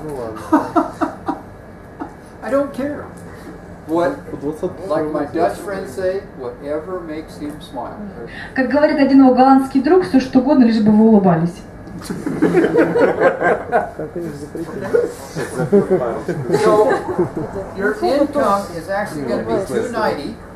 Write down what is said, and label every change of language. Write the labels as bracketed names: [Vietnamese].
[Russian] Ну, ладно. [English] I don't care. Like my Dutch friend say, whatever makes him smile. [Russian] Как говорит один его голландский друг, все что угодно, лишь бы вы улыбались. [English] So your income is actually going to be 290.